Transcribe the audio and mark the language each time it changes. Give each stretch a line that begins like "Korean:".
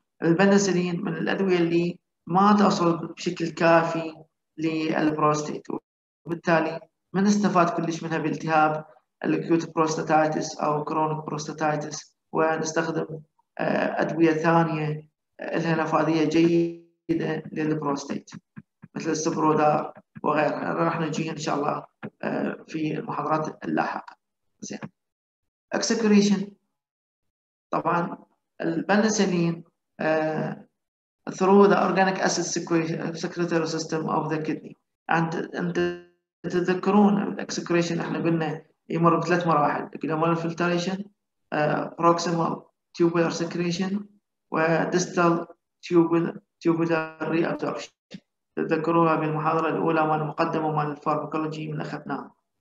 Arabic: البنسلين من الأدوية اللي ما تصل بشكل كافي للبروستات، وبالتالي ما نستفاد كلش منها بالتهاب الأكيوت بروستاتيتس أو كرونيك بروستاتيتس، ونستخدم أدوية ثانية لها نفاذية جيدة للبروستات مثل السبرودار وغيرها، راح نجيها إن شاء الله في المحاضرات اللاحقة. زين، اكسكريشن، طبعا البنسلين
English: through the organic acid secretory system of the kidney.
Arabic: انت تتذكرون الاكسكريشن احنا قلنا يمر بثلاث مراحل: جلومال فلتريشن، بروكسيمال تيوبولار سكريشن، وديستال تيوبولار ري ابسوربشن. تذكروها في المحاضره الاولى مال المقدمه مال الفارماكولوجي من اخذناها.